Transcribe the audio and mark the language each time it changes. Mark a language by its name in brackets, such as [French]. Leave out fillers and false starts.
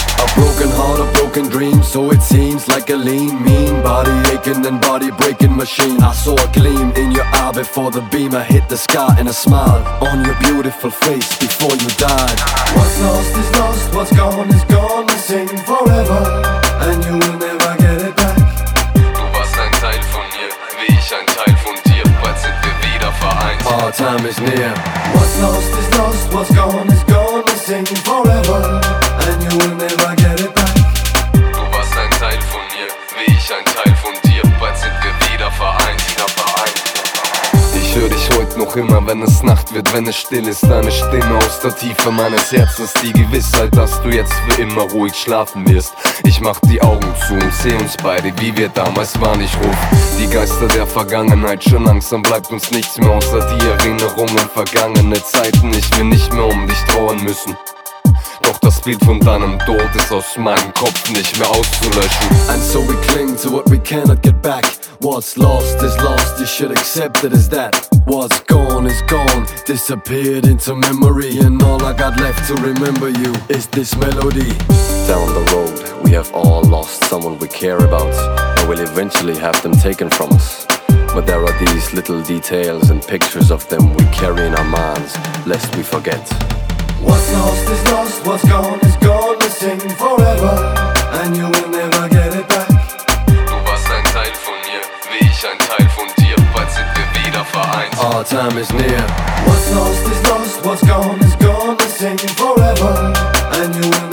[English] A broken heart, a broken dream, so it seems like a lean, mean body aching and body breaking machine. I saw a gleam in your eye before the beamer hit the sky, and a smile on your beautiful face before you died. What's lost is lost, what's gone is gone. I sing forever, and you will never get it back. [German] Du warst ein Teil von mir, wie ich ein Teil von dir. Bald sind wir wieder vereint. [English] Our time is near. What's lost is lost, what's gone is gone. I sing forever, and you will never get it back. [German] Du warst ein Teil von mir, wie ich ein Teil von dir. Bald sind wir wieder vereint. Ich höre dich heute noch immer, wenn es Nacht wird, wenn es still ist. Deine Stimme aus der Tiefe meines Herzens, die Gewissheit, dass du jetzt für immer ruhig schlafen wirst. Ich mach die Augen zu und seh uns beide, wie wir damals waren. Ich ruf die Geister der Vergangenheit, schon langsam bleibt uns nichts mehr außer die Erinnerung an vergangene Zeiten. Ich will nicht mehr um dich trauern müssen. Doch das Bild von deinem Tod ist aus meinem Kopf nicht mehr auszulöschen. [English] And so we cling to what we cannot get back. What's lost is lost, you should accept it as that. What's gone is gone, disappeared into memory. And all I got left to remember you is this melody. Down the road, we have all lost someone we care about, and we'll eventually have them taken from us. But there are these little details and pictures of them we carry in our minds, lest we forget. What's lost is lost, what's gone is gone. Missing forever, and you will never get it back. [German] Du warst ein Teil von mir, wie ich ein Teil von dir. Bald sind wir wieder vereint. [English] Our time is near. What's lost is lost, what's gone is gone. Missing forever, and you will never get it back.